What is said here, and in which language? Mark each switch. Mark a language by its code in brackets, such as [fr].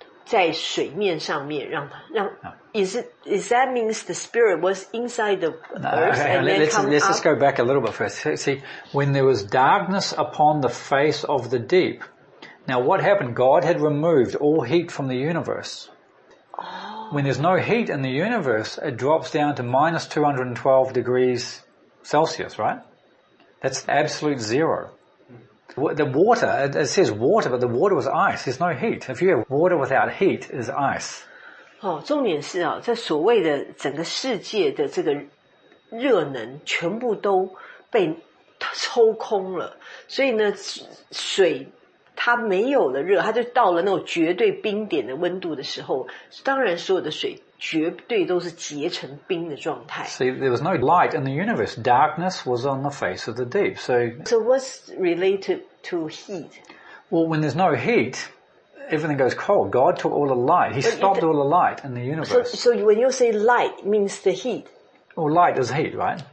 [zh] 就是说这个它的地呢是应该说没有形了然后但是它的它有一个像像那种很深的水好的这个表面是黑暗的所以呢神呢就把它把灵呢在水面上面让它让 [en] Is that means the spirit was inside the earth? No, okay, and then let's just go back a little bit first. See, when there was darkness upon the face of the deep. Now what happened? God had removed all heat from the universe. Oh. When there's no heat in the universe, it drops down to minus 212 degrees Celsius, right? That's absolute zero. The water, it says water, but the water was ice. There's no heat. If you have water without heat, it's ice. [zh] 哦, 重点是啊, 这所谓的整个世界的这个热能 全部都被抽空了, 所以呢, 水, 它没有了热, 它就到了那种绝对冰点的温度的时候, 当然所有的水绝对都是结成冰的状态。 [en] See, there was no light in the universe. Darkness was on the face of the deep. So, so what's related to heat? Well, when there's no heat, everything goes cold. God took all the light. He stopped all the light in the universe. So when you say light, means the heat? Well, light is heat, right?